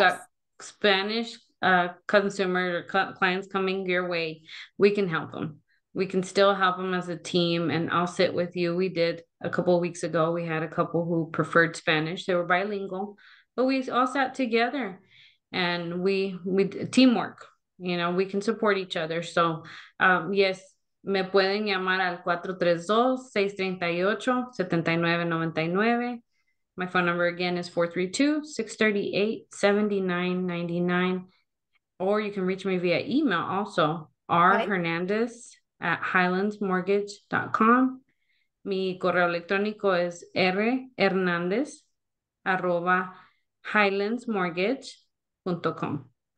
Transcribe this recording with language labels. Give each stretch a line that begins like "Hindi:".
English: got Spanish consumers or clients coming your way, we can help them. We can still help them as a team, and I'll sit with you. We did a couple of weeks ago. We had a couple who preferred Spanish. They were bilingual, but we all sat together, and we teamwork. We can support each other.
Spanish: So, yes, me pueden llamar al 432-638-7999.
English: My phone number again is 432-638-7999, or you can reach me via email also, Okay. rhernandez@highlandsmortgage.com.
Spanish: Mi correo electrónico es rhernandez@highlandsmortgage.com.